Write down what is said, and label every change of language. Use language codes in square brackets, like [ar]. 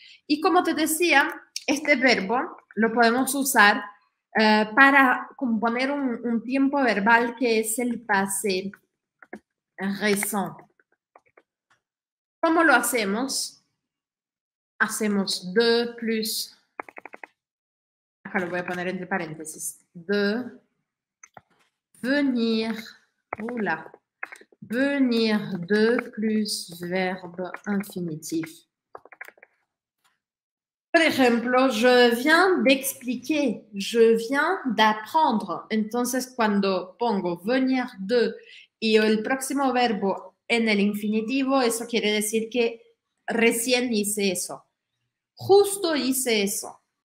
[es] Y como te decía, este verbo lo podemos usar para componer un tiempo verbal que es el pasé récent. ¿Cómo lo hacemos? Hacemos de plus, acá lo voy a poner entre paréntesis, de venir, hola. [fr] Venir de plus verbe infinitif. [es] Por ejemplo, [fr] je viens d'expliquer, je viens d'apprendre. [es] Entonces, cuando pongo venir de y el próximo verbo en el infinitivo, eso quiere decir que recién hice eso. Justo hice eso.